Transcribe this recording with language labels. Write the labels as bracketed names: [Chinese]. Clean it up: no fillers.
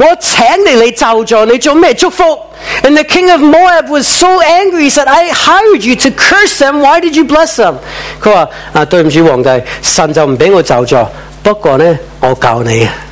[Chinese] 摩押王很生气，我请你来咒诅，你做什么祝福？ [English] And the king of Moab was so angry, he said, I hired you to curse them, why did you bless them? [Chinese] 他说，对不起皇帝，神就不让我咒诅，不过呢，我教你。